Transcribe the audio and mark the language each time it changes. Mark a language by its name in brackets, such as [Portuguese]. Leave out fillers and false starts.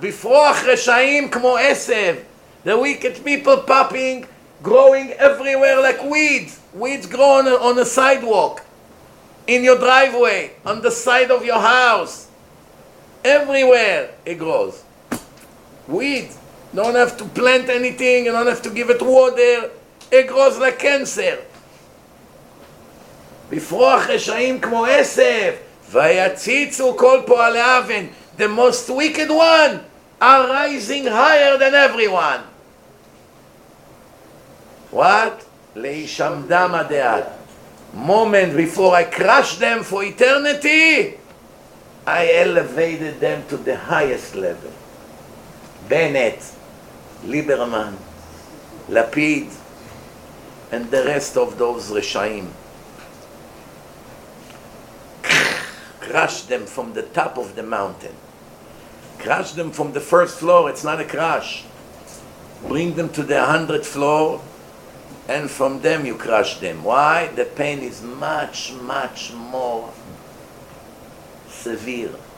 [English] Before [Hebrew] reshaim kmo esev, [English] the wicked people popping, growing everywhere like weeds. Weeds grow on a sidewalk, in your driveway, on the side of your house. Everywhere it grows. Weeds. Don't have to plant anything, you don't have to give it water. It grows like cancer. [Hebrew] בפרוח רשעים כמו עשב, ויציצו כל פועלי אבן. [English] The most wicked one are rising higher than everyone. What? [Hebrew] להישמדם הדעת. [English] Moment before I crush them for eternity, I elevated them to the highest level. בנט, ליברמן, לפיד, and the rest of those רשעים. Crush them from the top of the mountain. Crush them from the first floor. It's not a crush. Bring them to the 100th floor, and from them you crush them. Why? The pain is much, much more severe.